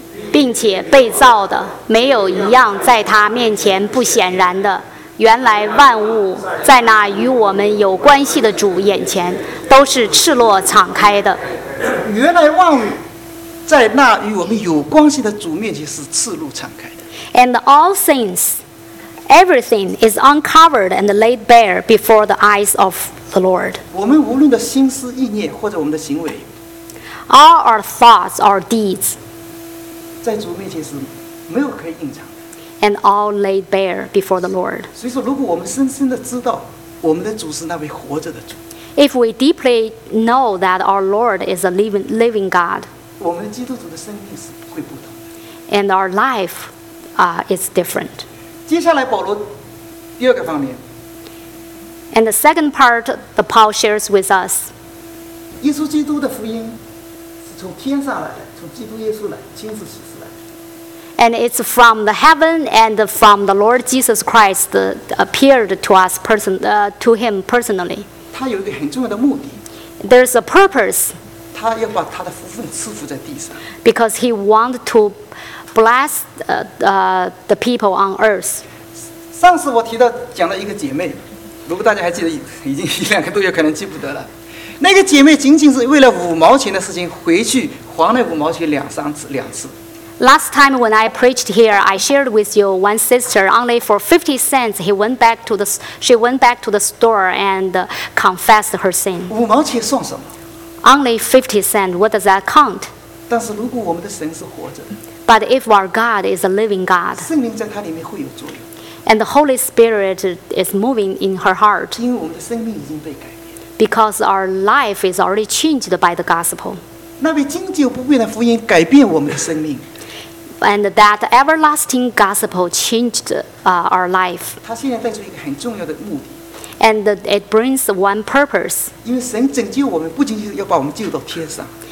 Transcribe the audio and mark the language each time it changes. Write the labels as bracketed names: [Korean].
[Chinese] 并且被造的没有一样在他面前不显然的，原来万物在那与我们有关系的主眼前都是赤裸敞开的。原来万物在那与我们有关系的主面前是赤裸敞开的。 [English] And all things, everything is uncovered and laid bare before the eyes of the Lord. [Chinese] 我们无论的心思意念或者我们的行为， [English] all our thoughts, our deeds, [Chinese] 在主面前是没有可以隐藏的。 [English] And all laid bare before the Lord. [Chinese] 所以说，如果我们深深地知道我们的主是那位活着的主， [English] If we deeply know that our Lord is a living God, [Chinese] 我们基督徒的生命是会不同的。 [English] And our life is different. [Chinese] 接下来保罗第二个方面， [English] And the second part that Paul shares with us, [Chinese] 耶稣基督的福音从天上来的，从基督耶稣来，亲自启示来的。 [English] And it's from the heaven and from the Lord Jesus Christ appeared to us to him personally. [Chinese] 他有一个很重要的目的。 [English] There's a purpose. [Chinese] 他要把他的福分赐福在地上。 [English] Because he wanted to bless the people on earth. [Chinese] 上次我提到讲了一个姐妹，如果大家还记得，已经一两个多月，可能记不得了。那个姐妹仅仅是为了五毛钱的事情回去还了五毛钱两次。 [English] Last time when I preached here, I shared with you one sister only for 50 cents. She went back to the store and confessed her sin. [Chinese] 五毛钱算什么？ [English] Only 50 cents. What does that count? [Chinese] 但是如果我们的神是活着的， [English] But if our God is a living God, [Chinese] 圣灵在它里面会有作用。 [English] And the Holy Spirit is moving in her heart. [Chinese] 因为我们的生命已经被改变。 [English] Because our life is already changed by the gospel. [Chinese] 那位经久不变的福音改变我们的生命。 [English] And that everlasting gospel changed our life. [Chinese] 它现在带出一个很重要的目的。 [English] And it brings one purpose. [Chinese] 因为神拯救我们不仅仅是要把我们救到天上。